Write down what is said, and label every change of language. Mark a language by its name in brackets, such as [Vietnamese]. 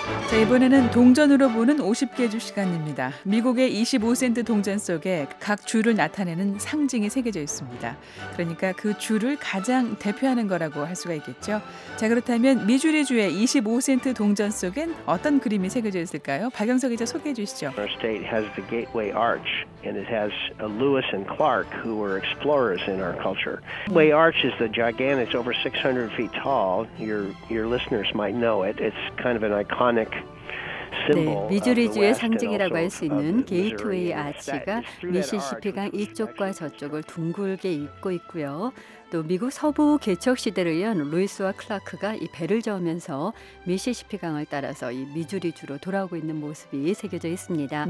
[Korean] 자, 이번에는 동전으로 보는 50개 주 시간입니다. 미국의 25센트 동전 속에 각 주를 나타내는 상징이 새겨져 있습니다. 그러니까 그 주를 가장 대표하는 거라고 할 수가 있겠죠. 자, 그렇다면 미주리주의 25센트 동전 속엔 어떤 그림이 새겨져 있을까요? 박영석 기자 소개해 주시죠. [English] Our state has the Gateway Arch and it has Lewis and Clark who were explorers in our culture. Gateway Arch is the gigantic, it's over 600 feet tall. Your listeners might know it. It's kind of an iconic [Korean] 네, 미주리주의 상징이라고 할 수 있는 게이트웨이 아치가 미시시피강 이쪽과 저쪽을 둥글게 잇고 있고요. 또 미국 서부 개척 시대를 연 루이스와 클라크가 이 배를 저으면서 미시시피강을 따라서 이 미주리주로 돌아오고 있는 모습이 새겨져 있습니다.